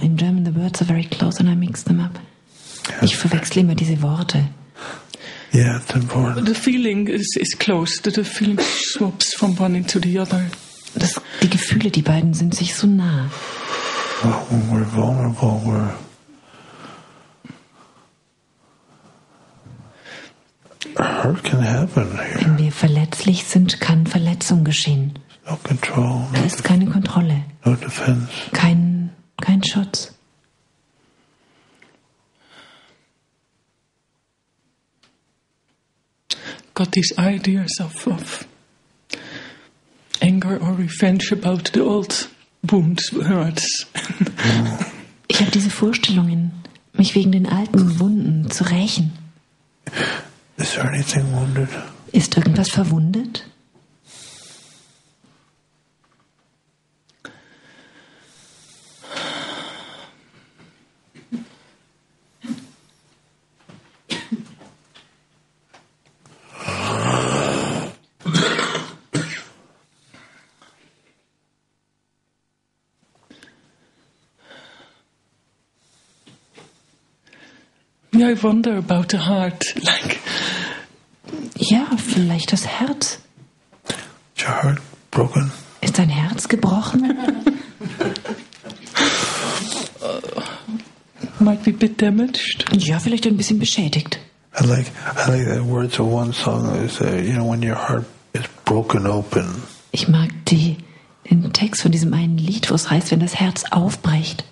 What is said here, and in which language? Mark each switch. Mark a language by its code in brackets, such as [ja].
[en] In German the words are very close and I mix them up. [de] Yes. Ich verwechsle immer diese Worte. [en] Yeah, it's important. The feeling is close. The feeling swaps from one into the other. [de] Das, die Gefühle, die beiden sind sich so nah. [en] When we're vulnerable, we're hurt can happen here. [de] Wenn wir verletzlich sind, kann Verletzung geschehen. [en] No control, [de] da ist keine Kontrolle. [en] No defense. [de] Kein Schutz. [en] Got these ideas of anger or revenge about the old wounds, hurts. [de] Ich habe diese Vorstellungen, mich wegen den alten Wunden zu rächen. [en] Is there anything wounded? [de] Ist irgendwas verwundet? [en] Yeah, I wonder about the heart, like. [de] Ja, vielleicht das Herz. [en] Is your heart broken? [de] Ist dein Herz gebrochen? [en] Might be a bit damaged. [de] Ja, vielleicht ein bisschen beschädigt. [en] I like the words of one song. They say, you know, when your heart is broken open. [de] Ich mag den Text von diesem einen Lied, wo es heißt, wenn das Herz aufbricht.